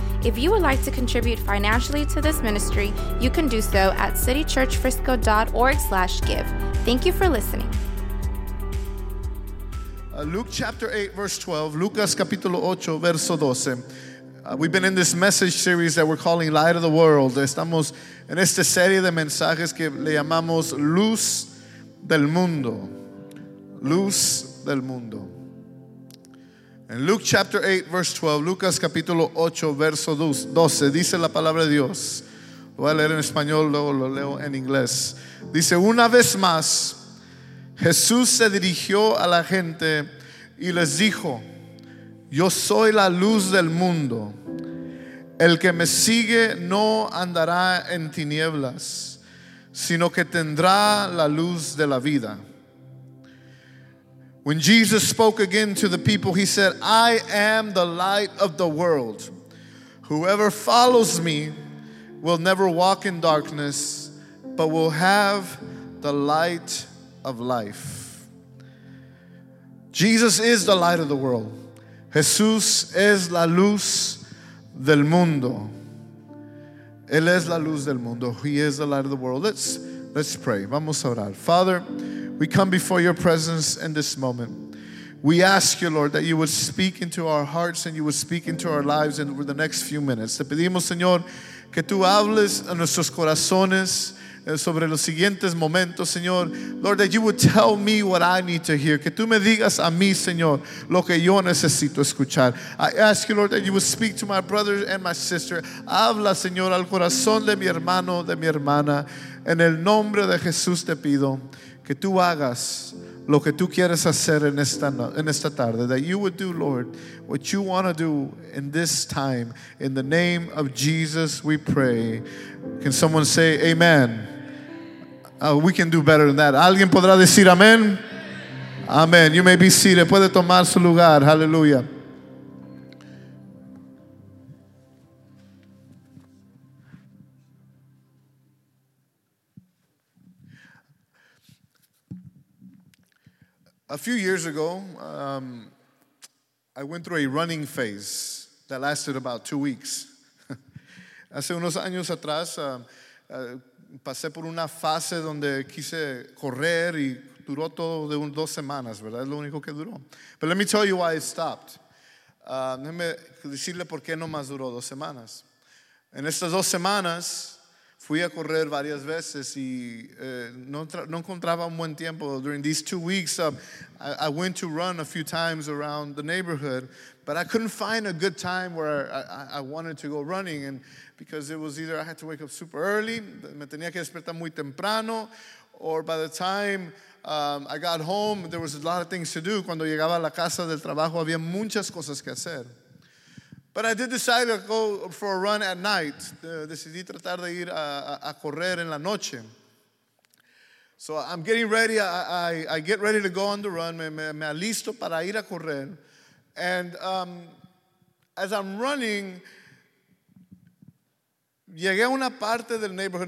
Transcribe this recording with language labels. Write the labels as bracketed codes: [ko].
[en] If you would like to contribute financially to this ministry, you can do so at citychurchfrisco.org/give. Thank you for listening. Luke chapter 8, verse 12, [es] Lucas capítulo 8, verso 12. [en] We've been in this message series that we're calling Light of the World. [es] Estamos en esta serie de mensajes que le llamamos Luz del Mundo. Luz del Mundo. [en] In Luke chapter 8, verse 12, [es] Lucas capítulo 8, verso 12, dice la palabra de Dios. Voy a leer en español, luego lo leo en inglés. Dice, una vez más, Jesús se dirigió a la gente y les dijo, yo soy la luz del mundo. El que me sigue no andará en tinieblas, sino que tendrá la luz de la vida. [en] When Jesus spoke again to the people, he said, I am the light of the world. Whoever follows me will never walk in darkness, but will have the light of life. Jesus is the light of the world. [es] Jesús es la luz del mundo. Él es la luz del mundo. [en] He is the light of the world. Let's pray. [es] Vamos a orar. [en] Father, we come before your presence in this moment. We ask you, Lord, that you would speak into our hearts and you would speak into our lives in over the next few minutes. [es] Te pedimos, Señor, que tú hables a nuestros corazones sobre los siguientes momentos, Señor. [en] Lord, that you would tell me what I need to hear. [es] Que tú me digas a mí, Señor, lo que yo necesito escuchar. [en] I ask you, Lord, that you would speak to my brother and my sister. [es] Habla, Señor, al corazón de mi hermano, de mi hermana. En el nombre de Jesús te pido que tú hagas lo que tú quieres hacer en esta tarde. [en] That you would do, Lord, what you want to do in this time. In the name of Jesus, we pray. Can someone say amen? We can do better than that. [es] ¿Alguien podrá decir amén? Amén. [en] You may be seated. [es] Puede tomar su lugar. Hallelujah. [en] A few years ago, I went through a running phase that lasted about 2 weeks. [es] Hace unos años atrás, pasé por una fase donde quise correr y duró todo de 2 semanas, ¿verdad? Es lo único que duró. [en] But let me tell you why it stopped. [es] Déjeme decirle por qué no más duró 2 semanas. En estas 2 semanas, fui a correr varias veces y no encontraba un buen tiempo. [en] During these 2 weeks, I went to run a few times around the neighborhood, but I couldn't find a good time where I wanted to go running, and because it was either I had to wake up super early, [es] me tenía que despertar muy temprano, [en] or by the time I got home, there was a lot of things to do. [es] Cuando llegaba a la casa del trabajo, había muchas cosas que hacer. [en] But I did decide to go for a run at night. [es] Decidí tratar de ir a correr en la noche. [en] So I'm getting ready. I get ready to go on the run. [es] Me alisto para ir a correr. [en] And as I'm running, [es] llegué a una parte del neighborhood.